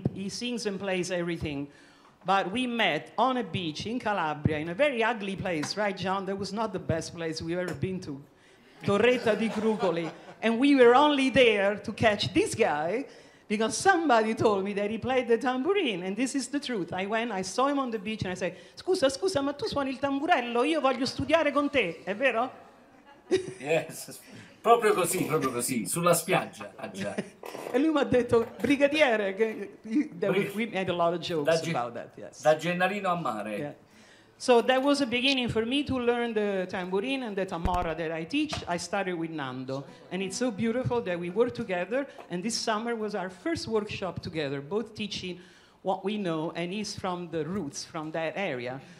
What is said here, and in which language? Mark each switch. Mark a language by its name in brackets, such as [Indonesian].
[English] He sings and plays everything. But we met on a beach in Calabria, in a very ugly place, right, John? That was not the best place we've ever been to. Torretta di Crucoli. And we were only there to catch this guy, because somebody told me that he played the tambourine, and this is the truth. I went, I saw him on the beach, and I said, [Italian] scusa, ma tu suoni il tamburello? Io voglio studiare con te, è vero? Yes, proprio così, sulla spiaggia. E lui mi ha detto, brigadiere, [English] we made a lot of jokes about that, yes. [Italian] Da Gennarino a mare. [English] Yeah. So that was a beginning for me to learn the tambourine and the tamora that I teach. I started with Nando. And it's so beautiful that we work together. And this summer was our first workshop together, both teaching what we know, and he's from the roots, from that area.